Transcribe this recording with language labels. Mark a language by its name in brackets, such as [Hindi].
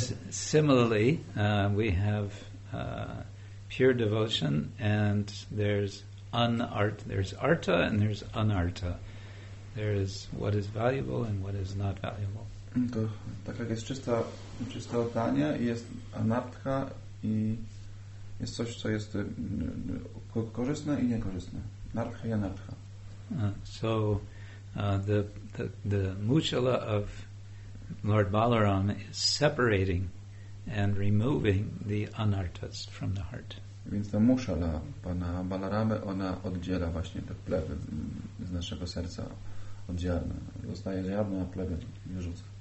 [English] similarly, we have pure devotion and there's arta and there's anarta. There is what is valuable and what is not valuable. [Polish] To tak jak jest czysta oddanie i jest anartha i jest coś, co jest korzystne i niekorzystne. Nartha i anartha. [English] So the mushala of Lord Balaram is separating and removing the anarthas from the heart. [Polish] Więc ta mushala pana Balaramy, ona oddziela właśnie te plewy z naszego serca od ziarna. Zostaje ziarno, a plewy wyrzuca.